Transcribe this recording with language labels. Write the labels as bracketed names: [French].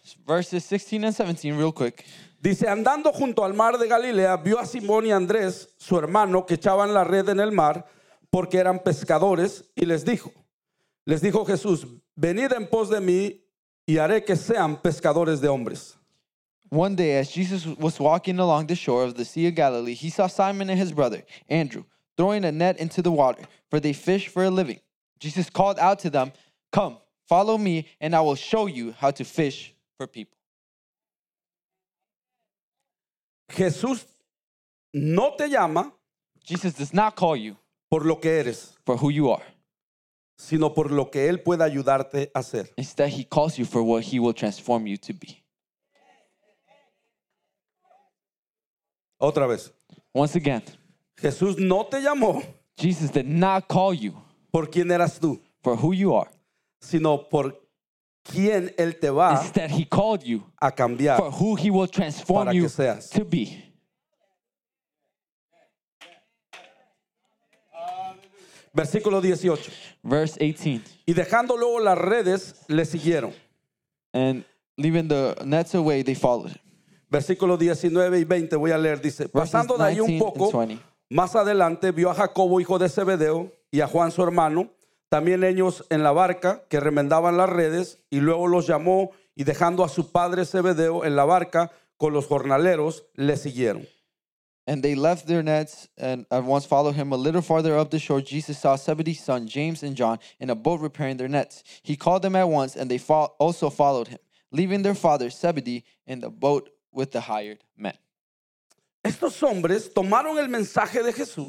[English] Verses 16 and 17, real quick. [Spanish] Dice, andando junto al mar de Galilea, vio a Simón y Andrés, su hermano, que echaban la red en el mar, porque eran pescadores, y les dijo Jesús, venid en pos de mí, y haré que sean pescadores de hombres. [English] One day, as Jesus was walking along the shore of the Sea of Galilee, he saw Simon and his brother, Andrew, throwing a net into the water, for they fish for a living. Jesus called out to them, "Come, follow me, and I will show you how to fish for people." [Spanish] Jesús no te llama. [English] Jesus does not call you [Spanish] por lo que eres, [English] for who you are, [Spanish] sino por lo que él puede ayudarte a hacer. [English] Instead, he calls you for what he will transform you to be. [Spanish] Otra vez. [English] Once again. [Spanish] Jesús no te llamó. [English] Jesus did not call you [Spanish] por quién eras tú, [English] for who you are, [Spanish] sino por quién él te va. [English] Instead, he called you [Spanish] a cambiar, [English] for who he will transform you to be. [Spanish] Versículo 18. [English] Verse 18. [Spanish] Y dejando luego las redes, le siguieron. [English] And leaving the nets away, they followed. [Spanish] Versículo 19 y 20, voy a leer, dice. Pasando de ahí un poco, más adelante, vio a Jacobo, hijo de Zebedeo, y a Juan, su hermano, también ellos en la barca, que remendaban las redes, y luego los llamó, y dejando a su padre Zebedeo en la barca, con los jornaleros, le siguieron. [English] And they left their nets and at once followed him. A little farther up the shore, Jesus saw Zebedee's sons, James and John, in a boat repairing their nets. He called them at once, and they also followed him, leaving their father Zebedee in the boat with the hired men. [Spanish] Estos hombres tomaron el mensaje de Jesús.